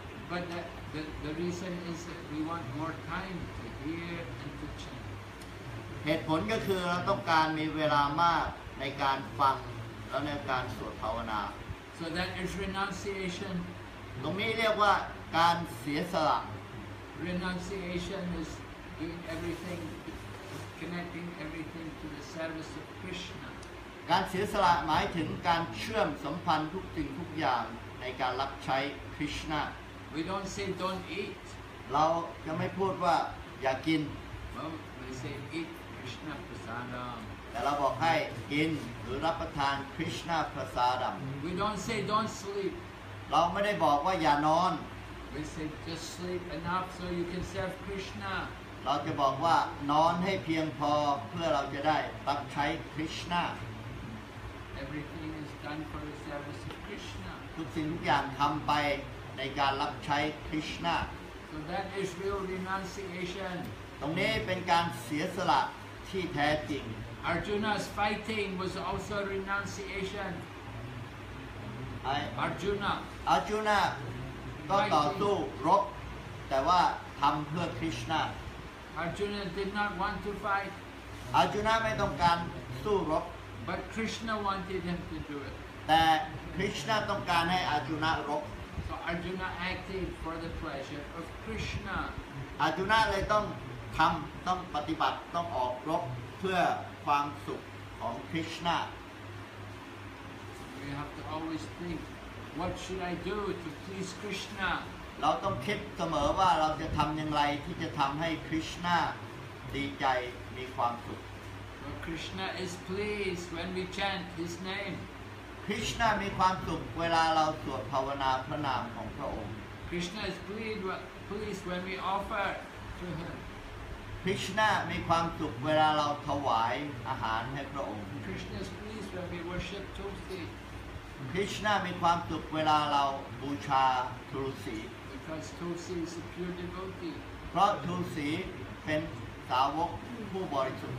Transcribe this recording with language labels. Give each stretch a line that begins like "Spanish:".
English: But the reason is that we want more time to hear and to chant
Thai: เหตุผลก็คือเราต้องการมีเวลามากในการฟังและในการสวดภาวนา
English: So that is renunciation
Thai: ตรงนี้เรียกว่าการเสียสละ
English: renunciation is doing everything connecting everything to the service of Krishna
Thai: การเสียสละหมายถึงการเชื่อมสัมพันธ์ทุกสิ่งทุกอย่างในการรับใช้ Krishna
English: we don't say don't eat
Thai: เราจะไม่พูดว่าอย่ากิน
English: we say eat Krishna prasadam
Thai: แต่เราบอกให้กินหรือรับประทาน Krishna prasadam
English: we don't say don't sleep
Thai: เราไม่ได้บอกว่าอย่านอน
English: We say just sleep enough so you can serve Krishna.
Thai: เราจะบอกว่านอนให้เพียงพอเพื่อเราจะได้รับใช้ Krishna.
English: Everything is done for the service of Krishna.
Thai: ทุกสิ่งทุกอย่างทำไปในการรับใช้ Krishna.
English: So that is real renunciation.
Thai: ตรงนี้เป็นการเสียสละที่แท้จริง
English: Arjuna's fighting was also renunciation. Arjuna. Arjuna.
Thai: ก็ต่อสู้รบแต่ว่าทำเพื่อคริชนา
English: Arjuna did not want to fight
Thai: Arjuna ไม่ต้องการสู้รบ
English: but Krishna wanted him to do it
Thai: แต่คริชนาต้องการให้ Arjuna รบ
English: so Arjuna acted for the pleasure of Krishna
Thai: Arjuna เลยต้องทำต้องปฏิบัติต้องออกรบเพื่อความสุขของคริชนา
English: we have to always thinkWhat should I do to please Krishna?
Thai: เราต้องคิดเสมอว่าเราจะทำอย่างไรที่จะทำให้ Krishna ดีใจมีความสุข
English: So Krishna is pleased when we chant his name.
Thai: Krishna มีความสุขเวลาเราสวดภาวนาพระนามของพระองค์
English: Krishna is pleased when we offer to him.
Thai: Krishna มีความสุขเวลาเราถวายอาหารให้พระองค์
English: Krishna is pleased when we worship Tulsi.
Thai: Krishna มีความสุขเวลาเราบูชาทุลสี
English: Because Tulsi is a pure devotee
Thai: เพราะทุลสีเป็นสาวกผู้บริสุทธิ